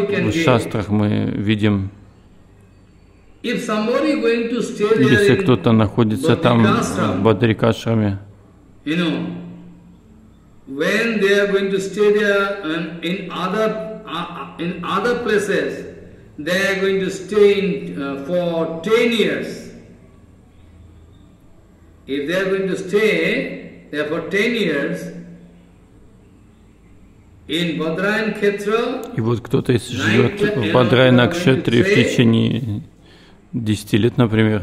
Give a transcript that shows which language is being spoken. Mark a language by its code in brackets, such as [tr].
[ru] В шастрах мы видим, если кто-то находится там в Бадрикашраме, [en] when they are going to stay there in other in other places, they are going to stay in for 10 years. If they are going to stay there for 10 years in Badrayana Kshetra, [ru] и вот кто-то из живет в Бадрайана Кшетре в течение 10 лет, например,